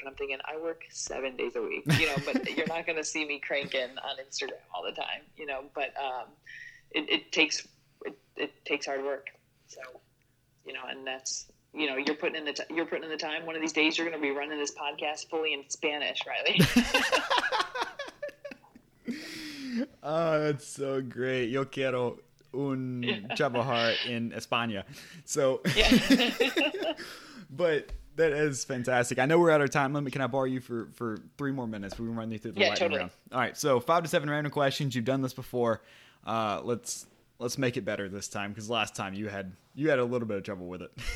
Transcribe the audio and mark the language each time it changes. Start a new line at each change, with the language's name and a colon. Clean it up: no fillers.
English: And I'm thinking, I work 7 days a week, you know, but you're not going to see me cranking on Instagram all the time, you know, but it takes hard work. So, you know, and that's, you know, you're putting in the time. One of these days you're going to be running this podcast fully in Spanish, Riley. Oh, that's so great.
Spanish: Yo quiero un trabajar in España.
English: So, but that is fantastic. I know we're out of time limit. Can I borrow you for 3 more minutes? We can run you through the lightning round. All right. So 5 to 7 random questions. You've done this before. Let's make it better this time, because last time you had a little bit of trouble with it.